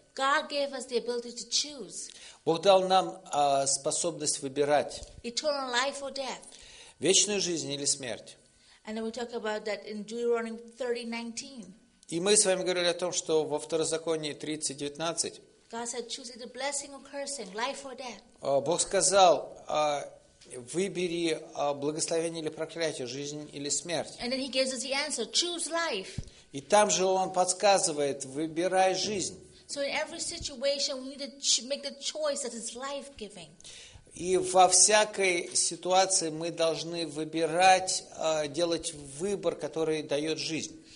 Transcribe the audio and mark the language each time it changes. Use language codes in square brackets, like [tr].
[en] God gave us the ability to choose. [ru] Бог дал нам способность выбирать. [en] Eternal life or death. [ru] Вечную жизнь или смерть. [en] And then we talk about that in Deuteronomy 30:19. [ru] И мы с вами говорили о том, что во Второзаконии 30:19. [en] God said, "Choose either blessing or cursing, life or death." [ru] Бог сказал, выбери благословение или проклятие, жизнь или смерть. [en] And then He gives us the answer: choose life. [ru] И там же Он подсказывает: выбирай жизнь. [en] So in every situation, we need to make the choice that is life-giving. [ru] И во всякой ситуации мы должны выбирать, делать выбор, который дает жизнь.